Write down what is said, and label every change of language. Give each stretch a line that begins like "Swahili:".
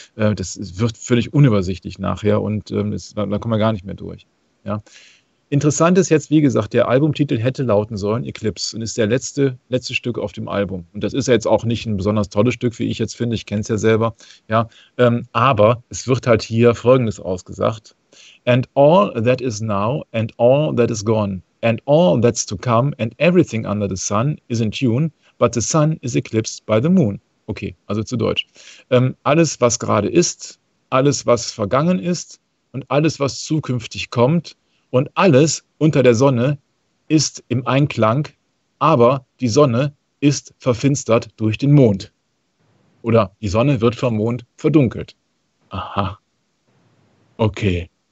German: Das wird völlig unübersichtlich nachher und da kommen wir gar nicht mehr durch. Ja. Interessant ist jetzt, wie gesagt, der Albumtitel hätte lauten sollen, Eclipse, und ist der letzte Stück auf dem Album. Und das ist ja jetzt auch nicht ein besonders tolles Stück, wie ich jetzt finde, ich kenne es ja selber. Ja, aber es wird halt hier Folgendes ausgesagt.
English: And all that is now, and all that is gone, and all that's to come, and everything under the sun is in tune, but the sun is eclipsed by the moon.
German: Okay, also zu Deutsch. Alles, was gerade ist, alles, was vergangen ist, und alles, was zukünftig kommt, und alles unter der Sonne ist im Einklang, aber die Sonne ist verfinstert durch den Mond. Oder die Sonne wird vom Mond verdunkelt. Aha. Okay.